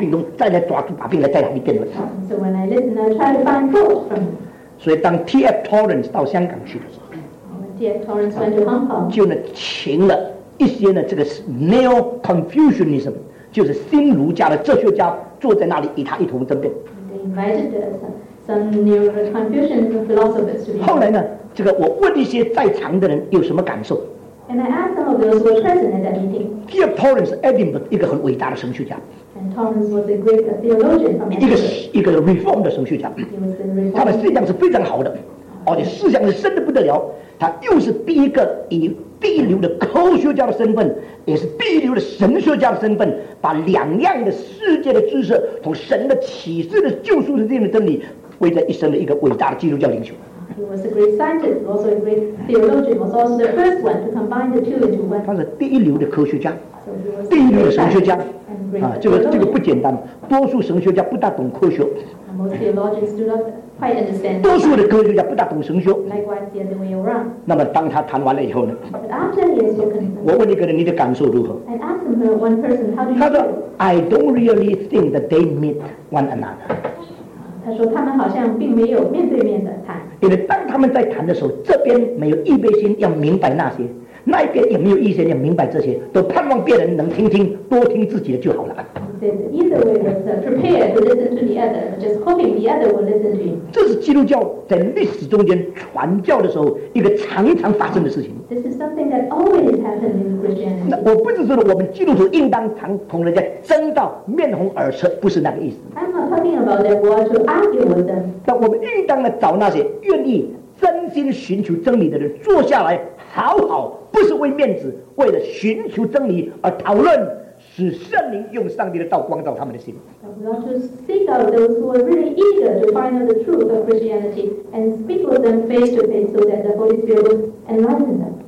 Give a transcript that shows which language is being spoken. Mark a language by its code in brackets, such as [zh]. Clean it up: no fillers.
[zh] 我就从你的话再从他山之石来应付这个人的需要，所以呢，再从你的里面找到你毛病中，再来抓住把柄来再和你辩论。 [en] So when I listen, I try to find fault from. [zh] 所以 当 T.F. Torrance 到香港去的时候 [en] ，T.F. Torrance went to Hong Kong， [zh] 就呢请了一些呢这个 Neo Confucianism， 就是新儒家的哲学家坐在那里与他一同争辩。 [en] They invited some Neo Confucian philosophers to be. [zh] 后来呢？这个我问一些在场的人有什么感受 [en] ？And I asked some of those who were present at that meeting. [zh] T.F. Torrance 是 Edinburgh 一个很伟大的神学家。 [en] And Torrance was a great theologian from Edinburgh. [zh] 一个 reform 的神学家。 [en] He was a reform. [zh] 他的思想是非常好的， 而且思想是深得不得了。他又是第一个以第一流的科学家的身份，也是第一流的神学家的身份，把两样的世界的知识，从神的启示的救赎的真理，归在一生的一个伟大的基督教领袖。 [en] He was a great scientist, also a great theologian, was also the first one to combine the two into one. [zh] 他是第一流的科学家， [en] so、he [zh] 第一流的神学家， [en] and great [zh] 这个不简单，多数神学家不大懂科学。 [en] Most theologians do not quite understand. [zh] 多数的科学家不大懂神学。 [en] Likewise, the other way around. [zh] 那么当他谈完了以后呢？ [en] But after he has your concern, [zh] 我问一个人，你的感受如何？ [en] I asked him one person, how do you? [zh] 他说 [en] ，I don't really think that they meet one another. [zh] 他说他们好像并没有面对面的谈。因为当他们在谈的时候，这边没有预备心要明白那些，那边也没有预备心要明白这些，都盼望别人能听听，多听自己的就好了。 [en] Either way was prepared to listen to the other, just hoping the other will listen to him. [zh] 这是基督教在历史中间传教的时候一个常常发生的事情。 [en] This is something that always happened in Christianity. [zh] 那我不是说我们基督徒应当常同人家争道、面红耳赤，不是那个意思。 [en] I'm not talking about that. We are to argue with them. [zh] 那我们应当呢找那些愿意真心寻求真理的人坐下来好好，不是为面子，为了寻求真理而讨论。使圣灵用上帝的道光照他们的心。 [en] We want to seek out those who are really eager to find out the truth of Christianity and speak with them face to face, so that the Holy Spirit will enlighten them.